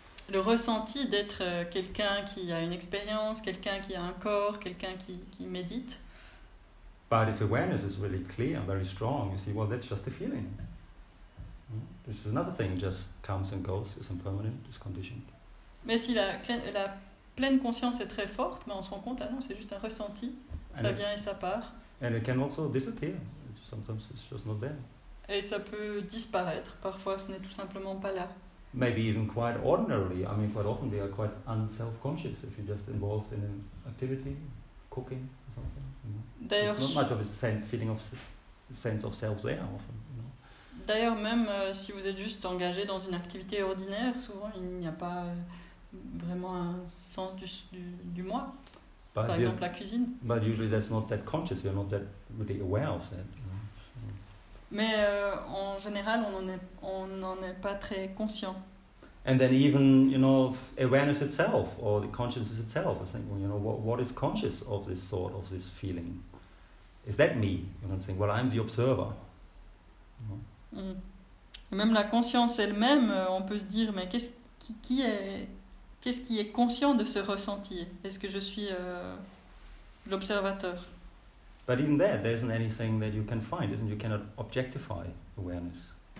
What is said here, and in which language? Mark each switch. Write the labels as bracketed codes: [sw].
[fr] Le ressenti d'être quelqu'un qui a une expérience, quelqu'un qui a un corps, quelqu'un qui médite. [en] But if awareness is really clear and very strong, you see, well, that's just a feeling. This is another thing, just comes and goes, it's impermanent, it's conditioned. [fr] Mais si la pleine conscience est très forte, ben on se rend compte, ah non, c'est juste un ressenti, ça and vient it, et ça part. [en] And it can also disappear, sometimes it's just not there. [fr] Et ça peut disparaître, parfois ce n'est tout simplement pas là. [en] Maybe even quite ordinarily, I mean quite often they are quite unself-conscious if you're just involved in an activity, cooking or something. [fr] D'ailleurs, [en] it's not much of a feeling of sense of self there often. [fr] D'ailleurs, même si vous êtes juste engagé dans une activité ordinaire, souvent il n'y a pas vraiment un sens du moi. [en] But [fr] par exemple, la cuisine. [en] But usually that's not that conscious. You're not that really aware of that. You know? [fr] Mais en général, on n'en est pas très conscient. [en] And then even you know awareness itself or the consciousness itself. I think well, you know what is conscious of this thought, of this feeling. Is that me? You know, saying well, I'm the observer. You know? Mm. [fr] Même la conscience elle-même, on peut se dire, mais qu'est-ce qui est conscient de ce ressenti? Est-ce que je suis l'observateur? [en] But even that, there isn't anything that you can find, isn't you cannot objectify awareness.